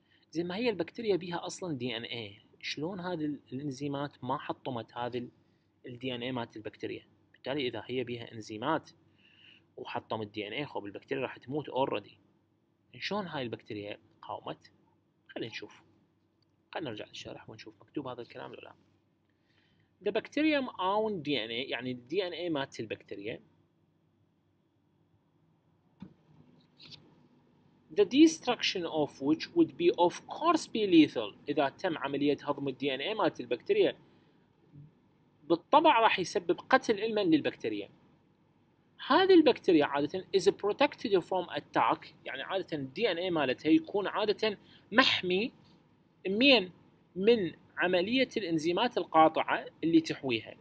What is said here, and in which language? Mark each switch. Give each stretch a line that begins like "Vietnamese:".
Arabic: زي ما هي البكتيريا بيها اصلا دي ان اي، شلون هذه الانزيمات ما حطمت هذه الدي ان اي مات البكتيريا؟ بالتالي اذا هي بيها انزيمات وحطم الدي ان اي خب البكتيريا راح تموت اوريدي. شلون هاي البكتيريا قاومت؟ خلينا نشوف. خلينا نرجع للشرح ونشوف مكتوب هذا الكلام ولا لا.
English: The bacterium own DNA
Arabic: يعني الدي ان اي مات البكتيريا.
English: The destruction of which would be of course be lethal.
Arabic: إذا تم عملية هضم الدي ان اي مات البكتيريا بالطبع راح يسبب قتل علما للبكتيريا. هذه البكتيريا عادة
English: is protected from attack
Arabic: يعني عادة الدي ان اي مالتها يكون عادة محمي من عملية الانزيمات القاطعة اللي تحويها.